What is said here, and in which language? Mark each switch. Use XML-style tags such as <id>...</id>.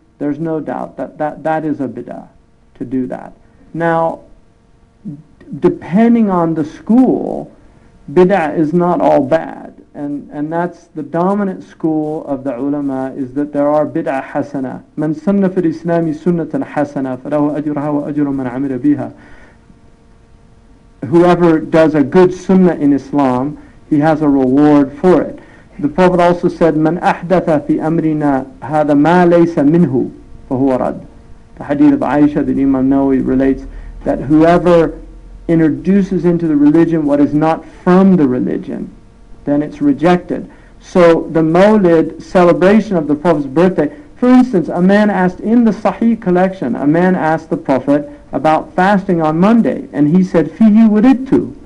<en>There's no doubt that is a bid'ah to do that. Now, depending on the school, bid'ah is not all bad. And that's the dominant school of the ulama, is that there are bid'ah hasana.</en> <ar>من سن في الإسلام سنة حسنة فله أجرها وأجر من عمل بها.</ar> <en>Whoever does a good sunnah in Islam, he has a reward for it. The Prophet also said,</en> <ar>من أحدث في أمرنا هذا ما ليس منه فهو رد.</ar> <en>The hadith of Aisha that Imam Nawawi relates that whoever introduces into the religion what is not from the religion, then it's rejected. So the Mawlid celebration of the Prophet's birthday, for instance, a man asked in the Sahih collection, a man asked the Prophet about fasting on Monday, and he said, Fihi wudittu.</en>